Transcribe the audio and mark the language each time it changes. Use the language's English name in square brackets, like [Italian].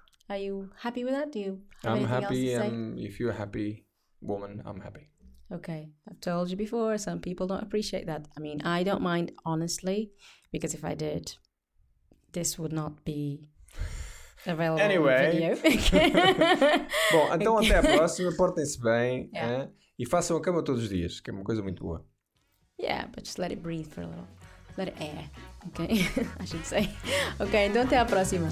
[English] Are you happy with that? Do you have I'm happy. Else to say? If you're a happy woman, I'm happy. Okay, I've told you before, some people don't appreciate that. I mean, I don't mind, honestly, because if I did, this would not be available anyway. Video. [Portuguese] Bom, então até à próxima, portem-se bem. Yeah. E façam a cama todos os dias, que é uma coisa muito boa. [English] Yeah, but just let it breathe for a little. Let it air, okay? I should say. Okay, [Portuguese] então até à próxima.